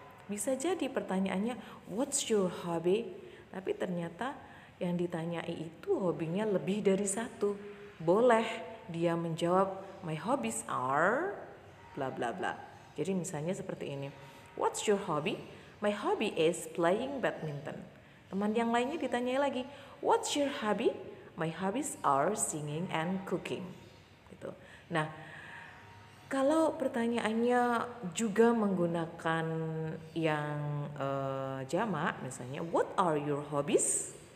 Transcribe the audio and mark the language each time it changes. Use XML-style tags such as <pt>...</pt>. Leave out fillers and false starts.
<id>Bisa jadi pertanyaannya</id> <en>what's your hobby?</en> <id>Tapi ternyata yang ditanyai itu hobinya lebih dari satu. Boleh dia menjawab</id> <en>my hobbies are bla bla bla.</en> <id>Jadi misalnya seperti ini.</id> <en>What's your hobby? My hobby is playing badminton.</en> <id>Teman yang lainnya ditanyai lagi,</id> <en>what's your hobby? My hobbies are singing and cooking.</en> <id>Gitu. Nah, kalau pertanyaannya juga menggunakan yang jamak misalnya</id> <en>what are your hobbies?</en>